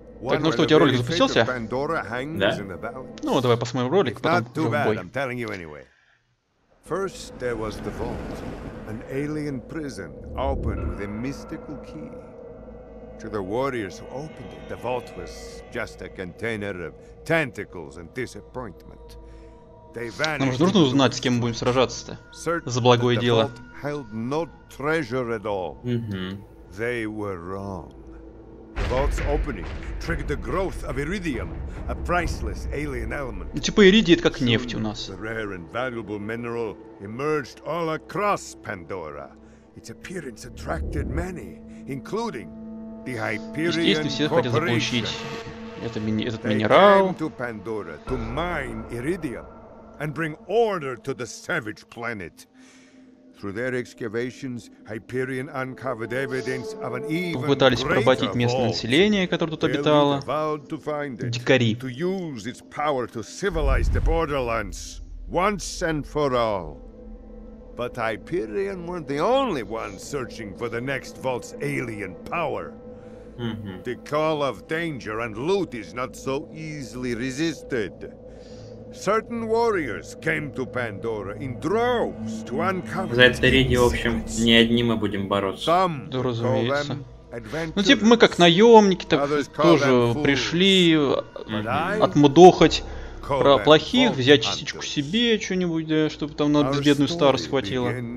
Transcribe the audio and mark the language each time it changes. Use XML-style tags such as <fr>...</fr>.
<ru>Так, ну что, у тебя ролик запустился? Да. Ну, давай посмотрим ролик, потом в бой. Я тебе говорю.</ru> <en>First there was the vault, an alien prison opened with a mystical key. To the warriors who opened it, the vault was just a container of tentacles and disappointment. They vanished.</en> <ru>Нам же нужно узнать, с кем мы будем сражаться-то за благое дело.</ru> <en>The vault held no treasure at all. They were wrong. The vault's opening triggered the growth of iridium, a priceless alien element.</en> <ru>Ну, типа иридий — это как нефть у нас.</ru> <en>The rare and valuable mineral emerged all across Pandora. Its appearance attracted many, including the Hyperion Corporation.</en> <ru>Здесь все хотят заполучить этот минерал.</ru> <en>They came to Pandora to mine iridium and bring order to the savage planet. Through their excavations, Hyperion uncovered evidence of an even greater vault.</en> <ru>Попытались поработить местное население, которое тут обитало. Дикари.</ru> <en>To use its power to civilize the borderlands once and for all. But Hyperion weren't the only ones searching for the next vault's alien power. The call of danger and loot is not so easily resisted. Certain warriors came to Pandora in droves to uncover.</en> <ru>За это Риди, в общем, не одни мы будем бороться. Да, разумеется. Ну, типа, мы как наемники, так тоже пришли отмудохать про плохих, взять частичку себе, что-нибудь, да, чтобы там на безбедную старость хватило.</ru>